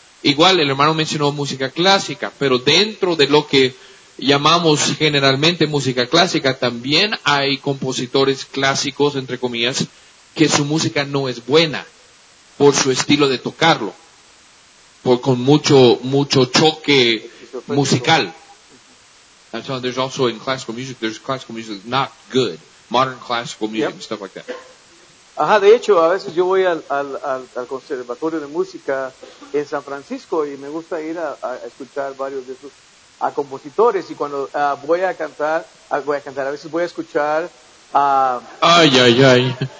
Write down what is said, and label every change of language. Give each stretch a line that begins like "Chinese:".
Spanish: Igual el hermano mencionó música clásica, pero dentro de lo que llamamos generalmente música clásica, también hay compositores clásicos, entre comillas, que su música no es buena. por su estilo de tocarlo, por, con mucho, mucho choque musical.
English: And so there's also in classical music, there's classical music that's not good. Modern classical music, yep, and stuff like that.
Spanish: Ajá, de hecho, a veces yo voy al conservatorio de música en San Francisco y me gusta ir a escuchar varios de esos a compositores. Y cuando voy a cantar, a veces voy a escuchar a... ¡Ay, ay, ay!